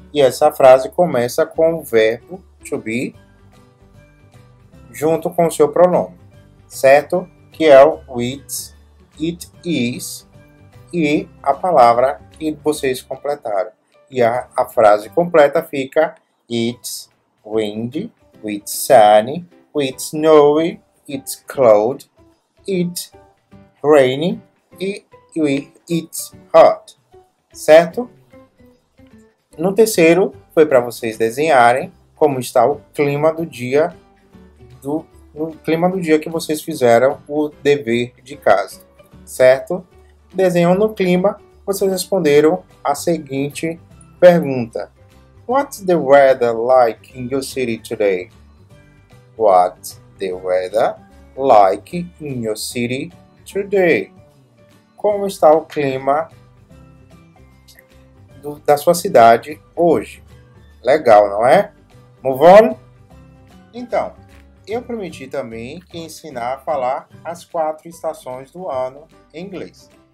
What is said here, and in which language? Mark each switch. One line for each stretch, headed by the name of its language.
Portuguese: E essa frase começa com o verbo to be junto com o seu pronome, certo? Que é o
English: it's, it is
Portuguese: e a palavra que vocês completaram. E a frase completa fica
English: it's windy. It's sunny, it's snowy, it's cloud, it's rainy e it's hot,
Portuguese: certo? No terceiro, foi para vocês desenharem como está o clima do dia, o clima do dia que vocês fizeram o dever de casa, certo? Desenhando o clima, vocês responderam a seguinte pergunta.
English: What's the weather like in your city today? What's the weather like in your city today?
Portuguese: Como está o clima da sua cidade hoje? Legal, não é?
English: Move on?
Portuguese: Então, eu prometi também que ensinar a falar as quatro estações do ano em inglês.